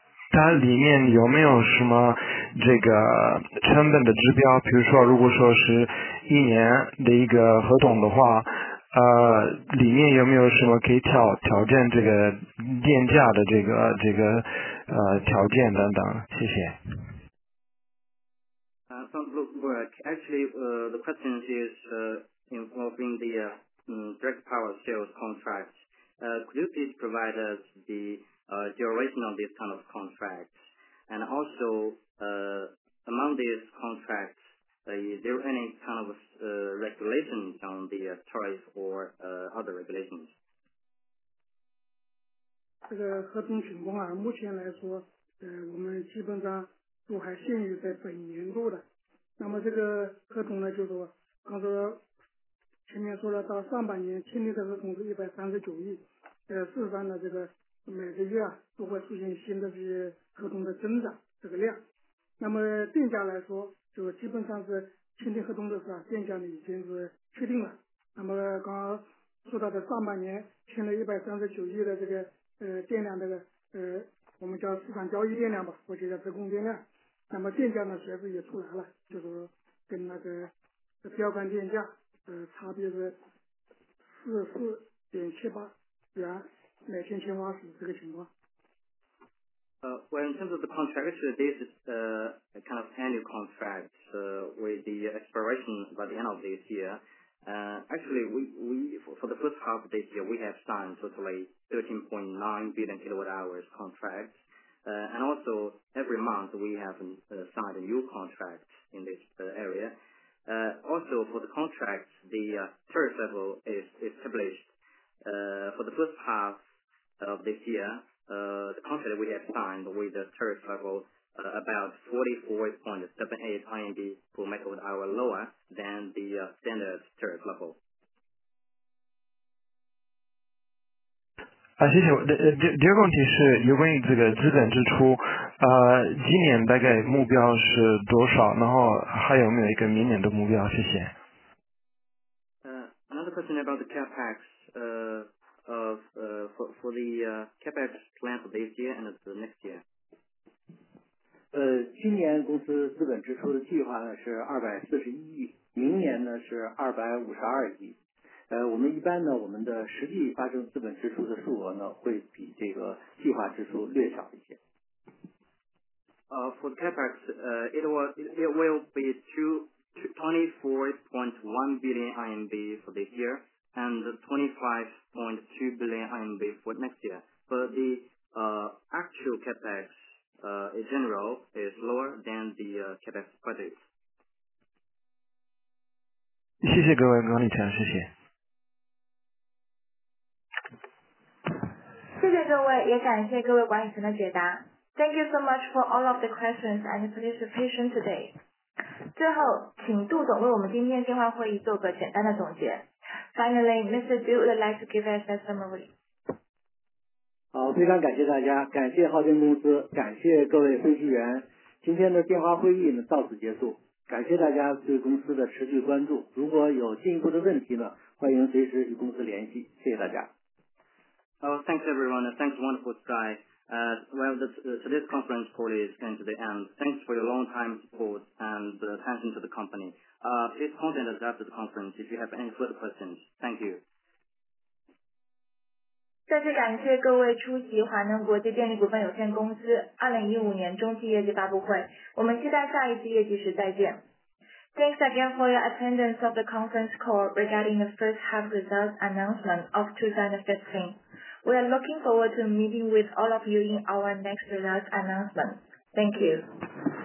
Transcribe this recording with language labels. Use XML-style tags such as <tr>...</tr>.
<zh>它里面有没有什么这个成本的指标，比如说如果说是一年的一个合同的话，里面有没有什么可以挑战这个电价的这个条件等等，谢谢。</zh> <en>Actually, the question is involving the direct power sales contract. Could you please provide us the duration of this kind of contract? And also, among these contracts, is there any kind of regulations on the tariff or other regulations?</en> <zh>这个合同情况啊，目前来说，我们基本上都还限于在本年度的。那么这个合同呢，就是说，刚才前面说了，到上半年签订的合同是139亿，事实上呢，这个每个月啊都会出现新的这些合同的增长这个量。那么电价来说，就基本上是签订合同的时候，电价呢已经是确定了。那么刚刚说到的上半年签了139亿的这个电量，这个我们叫市场交易电量吧，或者叫自供电量。那么电价呢，随之也出来了，就是跟那个标杆电价差别是44.78元每千千瓦时这个情况。</zh> <en>Well, in terms of the contract, this is a kind of annual contract with the expiration by the end of this year. Actually, we for the first half of this year, we have signed totally 13.9 billion kilowatt hours contract. And also, every month, we have signed a new contract in this area. Also, for the contract, the tariff level is established for the first half of this year. The contract we have signed with the tariff level about 44.78 RMB per megawatt hour lower than the standard tariff level.</en> <zh>啊，谢谢。第二个问题是有关于这个资本支出，今年大概目标是多少？然后还有没有一个明年的目标？谢谢。</zh> <en>Another question about the capex. For the capex plan for this year and the next year.</en> <zh>今年公司资本支出的计划呢是241亿，明年呢是252亿。我们一般呢，我们的实际发生资本支出的数额呢，会比这个计划支出略少一些。</zh> <en>For the capex, it will be 24.1 billion RMB for this year. And 25.2 billion RMB for next year. But the actual capex in general is lower than the capex budget.</en> <zh>谢谢各位管理层，谢谢。谢谢各位，也感谢各位管理层的解答。</zh> <en>Thank you so much for all of the questions and participation today.</en> <zh>最后，请杜总为我们今天电话会议做个简单的总结。</zh> <en>Finally, Mr. Du would like to give us a summary.</en> <zh>好，非常感谢大家，感谢浩建公司，感谢各位分析员。今天的电话会议呢到此结束，感谢大家对公司的持续关注。如果有进一步的问题呢，欢迎随时与公司联系。谢谢大家。</zh> <en>Oh, thanks everyone. Thanks, wonderful Sky. Well, this conference call is coming to the end. Thanks for your long time support and attention to the company. Please contact us after the conference if you have any further questions. Thank you.</en> <zh>再次感谢各位出席华能国际电力股份有限公司2015年中期业绩发布会，我们期待下一次业绩时再见。</zh> <en>Thanks again for your attendance of the conference call regarding the first half results announcement of 2015. We are looking forward to meeting with all of you in our next results announcement. Thank you.</en>